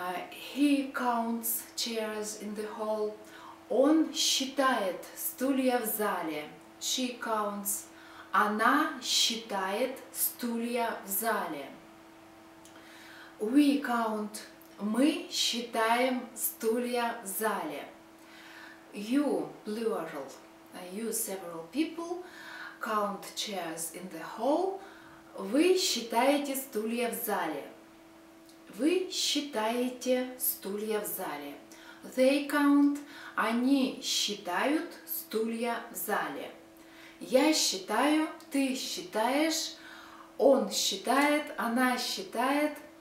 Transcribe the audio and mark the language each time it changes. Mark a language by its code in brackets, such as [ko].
[en] He counts chairs in the hall. [ru] Он считает стулья в зале. [en] She counts. [ru] Она считает стулья в зале. [en] We count. [ru] Мы считаем стулья в зале. [en] You, plural, you, several people, count chairs in the hall. [ru] Вы считаете стулья в зале. Вы считаете стулья в зале. [en] They count, [ru] они считают стулья в зале. Я считаю, ты считаешь, он считает, она считает.